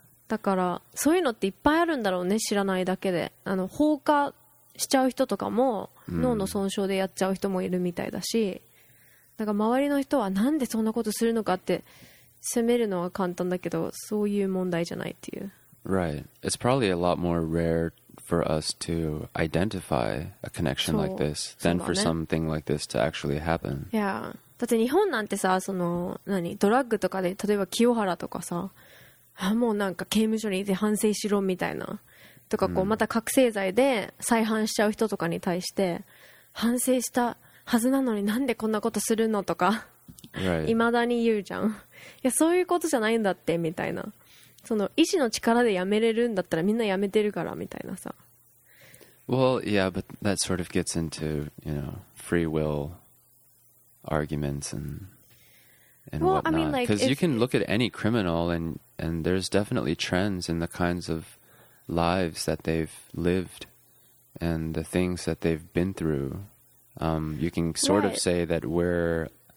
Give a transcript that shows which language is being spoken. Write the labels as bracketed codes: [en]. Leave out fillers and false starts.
[ja] だからそういうのっていっぱいあるんだろうね、知らないだけで。あの放火しちゃう人とかも脳の損傷でやっちゃう人もいるみたいだし、だから周りの人はなんでそんなことするのかって責めるのは簡単だけど、そういう問題じゃないっていう。 [en] Right. It's probably a lot more rare for us to identify a connection like this than、 [ja] ね、 [en] for something like this to actually happen. Yeah. [ja] だって日本なんてさ、その何ドラッグとかで、例えば清原とかさ、もうなんか刑務所にいて反省しろみたいなとか、こう、また覚醒剤で再犯しちゃう人とかに対して、反省したはずなのになんでこんなことするのとか。いまだに言うじゃん。いや、そういうことじゃないんだってみたいな。その意志の力でやめれるんだったらみんなやめてるからみたいなさ。 [en] Well, yeah, but that sort of gets into, you know, free will arguments and well, whatnot. I mean, like, because you can look at any criminal and there's definitely trends in the kinds of lives that they've lived and the things that they've been through. You can sort of say that we're